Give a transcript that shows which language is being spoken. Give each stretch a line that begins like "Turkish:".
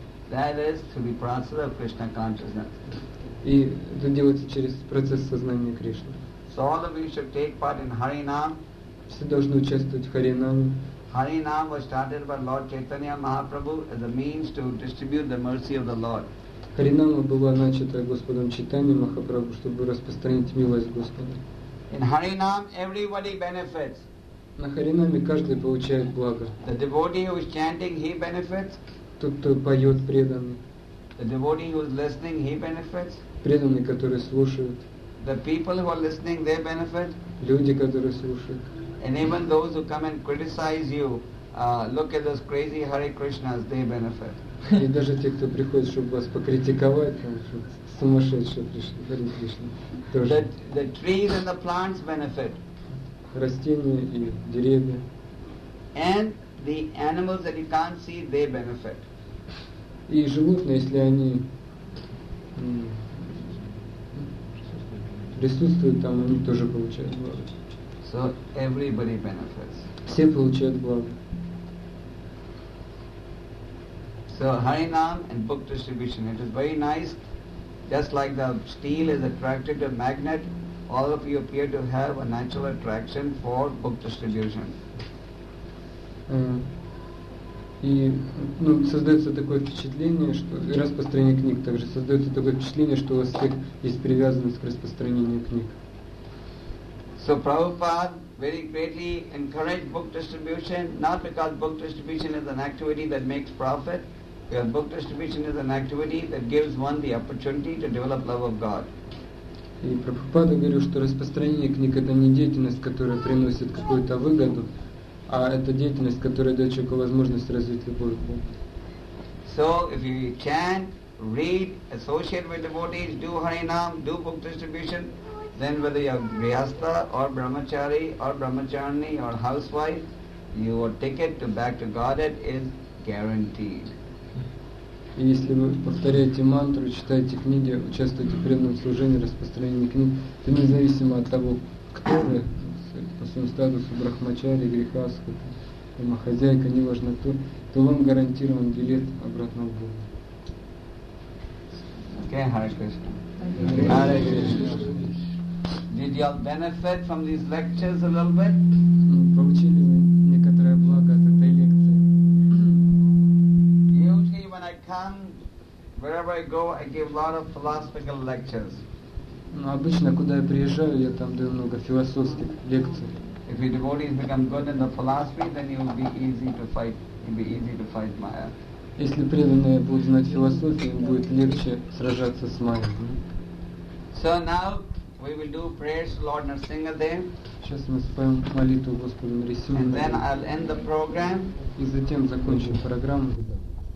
English: That is to be process of Krishna consciousness.
Russian: И это делается через процесс сознания Кришны.
English: So all of you should take part in Harinam.
Russian: Все должны участвовать в Харинаме.
English: Harinam was started by Lord Chaitanya Mahaprabhu as a means to distribute the mercy of the Lord.
Russian: Харинама была начата Господом Чайтанья Махапрабху, чтобы распространить милость Господа.
English: In Harinam everybody benefits.
Russian: На Харинаме каждый получает благо.
English: The devotee who is chanting, he benefits.
Russian: Тот, кто поет, преданный.
English: The devotee who is listening, he benefits.
Russian: Преданный, который слушает.
English: The people who are listening, they benefit.
Russian: Люди, которые слушают.
English: And even those who come and criticize you, look at those crazy Hare Krishnas, they benefit.
Russian: И даже те, кто приходит, чтобы вас покритиковать, сумасшедшие пришли, Hare Krishna.
English: The trees and the plants benefit.
Russian: Растения и деревья.
English: And the animals that you can't see, they benefit.
Russian: И животные, если они присутствуют там, они тоже получают благо.
English: So everybody benefits.
Russian: Все получают благо.
English: So Harinam and book distribution, it is very nice. Just like the steel is attracted to a magnet, all of you appear to have a natural attraction for book distribution.
Russian: И ну, создается такое впечатление, что распространение книг также создается такое впечатление, что у вас всех есть привязанность к распространению книг.
English: So Prabhupada very greatly encouraged book distribution, not because book distribution is an activity that makes profit, because book distribution is an activity that gives one the opportunity to develop love of God.
Russian: И Прабхупада говорил, что распространение книг это не деятельность, которая приносит какую-то выгоду, а это деятельность, которая дает человеку возможность развить любовь к Богу.
English: So, if you chant, read, associate with devotees, do Harinam, do book distribution, then whether you are Grihastha or Brahmachari or Brahmacharini or housewife, your ticket to back to Godhead is guaranteed.
Russian: И если вы повторяете мантру, читаете книги, участвуете в преданном служении, распространении книг, то независимо от того, кто вы, по своему статусу брахмачари, грехаска, домохозяйка, неважно кто, то вам гарантирован билет обратно в Бога.
English: Okay, Hare Krishna. Hare Krishna. Did you all benefit from these lectures a little bit?
Russian: Получили вы некоторое благо от этой лекции.
English: Usually when I come, wherever I go, I give a lot of philosophical lectures.
Russian: Но обычно, куда я приезжаю, я там даю много философских лекций.
English: If your devotees become good in the philosophy, then you will be easy to fight. You'll be easy to fight Maya.
Russian: Если преданные будут знать философию, им будет легче сражаться с Майей.
English: So now we will do prayers to Lord Narasingadev.
Russian: Сейчас мы споем молитву Господу Нарисимхадеву.
English: And then I'll end the program.
Russian: И затем закончим программу.